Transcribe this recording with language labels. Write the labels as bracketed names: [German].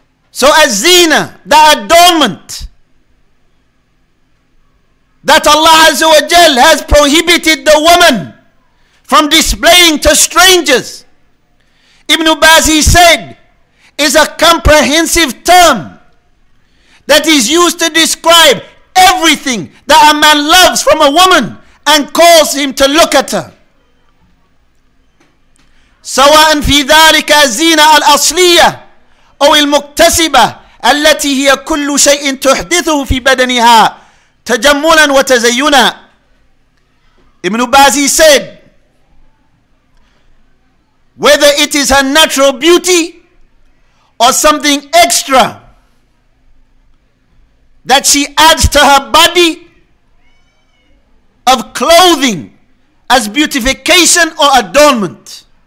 [English] So az-zina, the adornment that Allah Azza wa Jal has prohibited the woman from displaying to strangers, Ibn Baz, he said, is a comprehensive term that is used to describe everything that a man loves from a woman and calls him to look at her. [Arabic] سواء في ذلك الزينة الأصلية أو المكتسبة التي هي كل شيء تحدثه في بدنها تجملا وتزينا. [English] Ibn Baz, he said, whether it is her natural beauty or something extra that she adds to her body of clothing as beautification or adornment.